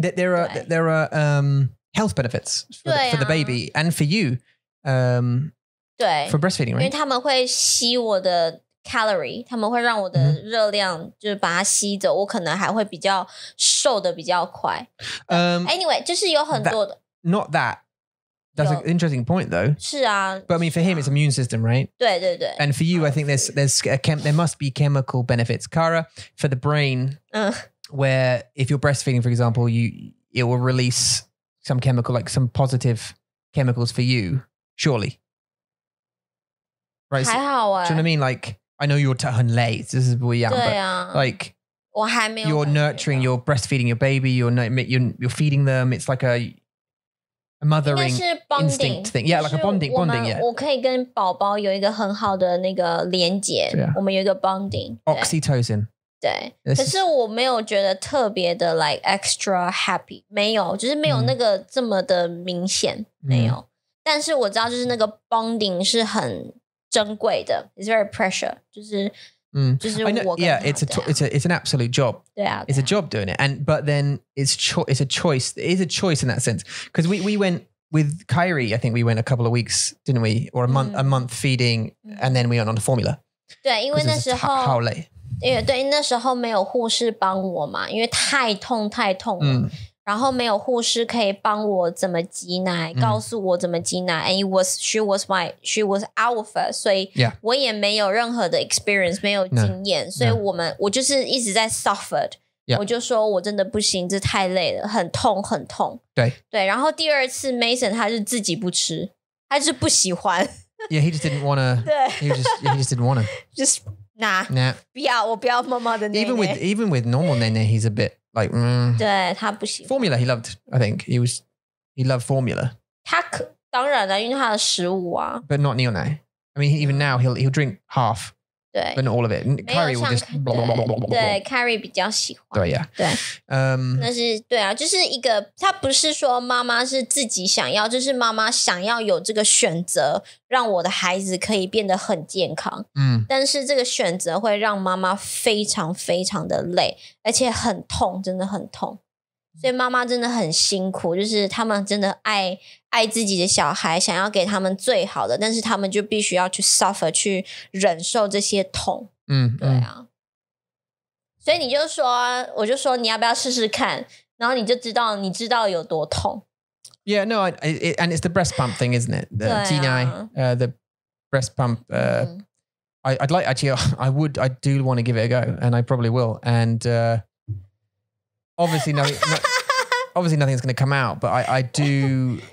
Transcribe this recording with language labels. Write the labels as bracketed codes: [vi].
[en] There are health benefits for the baby and for you. [zh] 对 [en] for breastfeeding, right? [zh] 因为他们会吸我的 calorie, 他们会让我的热量就是把它吸走，我可能还会比较瘦的比较快。 Anyway, 就是有很多的 [en] not that. That's an interesting point, though. [zh] 是啊 [en] but I mean, for him, it's immune system, right? [zh] 对对对 [en] And for you, I think there must be chemical benefits, Kara, for the brain. 嗯。 Where if you're breastfeeding, for example, it will release some chemical, like some positive chemicals for you, surely. Right? [zh] 还好欸。 [en] Do you know what I mean? Like, I know you're [zh] 很累, [en] this is [zh] 不一样, 对啊, [en] but like, [zh] 我还没有, [en] you're nurturing, you're breastfeeding your baby, you're feeding them, it's like a mothering instinct thing. Yeah, like a bonding, yeah. [zh] 我可以跟宝宝有一个很好的那个连结, [en] yeah. [zh] 我们有一个 bonding. [en] Oxytocin. [zh] 对，可是我没有觉得特别的 [en] like extra happy， [zh] 没有，就是没有那个这么的明显，没有。但是我知道，就是那个 bonding 是很珍贵的 ， [en] it's very precious， [zh] 就是，就是我跟他。 [en] Yeah， it's an absolute job. [zh] 对啊 [en] ，it's a job doing it. And but then it's a choice. It is a choice in that sense because we went with Kyrie. I think we went a couple of weeks, didn't we? Or a month feeding, and then we went on the formula. [zh] 对，因为那时候好累。因为对那时候没有护士帮我嘛，因为太痛了，然后没有护士可以帮我怎么挤奶，告诉我怎么挤奶。 [en] And she was our first， [zh] 所以我也没有任何的 experience， 没有经验， [en] no. [zh] 所以我就是一直在 suffered。 [en] Yeah. [zh] 我就说我真的不行，这太累了，很痛。对，然后第二次 Mason 他是自己不吃，他就是不喜欢。 [en] Yeah, he just didn't wanna. [zh] 对 [en] he just didn't wanna. Just. Nah. [zh] 不要我不要妈妈的奶奶 [en] Even with normal 奶奶 he's a bit like [zh] 对他不喜欢 [en] Formula he loved I think he loved formula [zh] 他可当然了，因为他的食物啊。 [en] But not 牛奶。I mean, even now, he'll drink half. [zh] 对。 [en] But not all of it. Curry will just... [zh] 对, Curry 比较喜欢。对呀。对。那是对啊，就是一个，他不是说妈妈是自己想要，就是妈妈想要有这个选择，让我的孩子可以变得很健康。嗯。但是这个选择会让妈妈非常非常的累，而且很痛，真的很痛。所以妈妈真的很辛苦，就是他们真的爱自己的小孩，想要给他们最好的，但是他们就必须要去 suffer， 去忍受这些痛。嗯，对啊。所以你就说，我就说你要不要试试看，然后你知道有多痛。 [en] Yeah, no, it, and it's the breast pump thing, isn't it? The T9, the breast pump. I'd like actually, I would, I do want to give it a go, and I probably will, and. Obviously, obviously nothing's going to come out, but I do...